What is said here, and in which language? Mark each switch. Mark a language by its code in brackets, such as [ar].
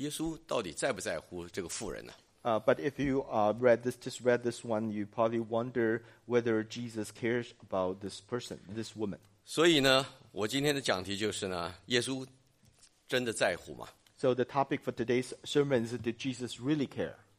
[zh] 但是你在读这个问这些经文的时候呢，你大概会有点在想说，耶稣到底在不在乎这个妇人呢？ [en] But if you just read this one, you probably wonder whether Jesus cares about this person, this woman. [zh] 所以呢，我今天的讲题就是呢，耶稣真的在乎吗？ [en] So the topic for today's sermon is, did Jesus really care?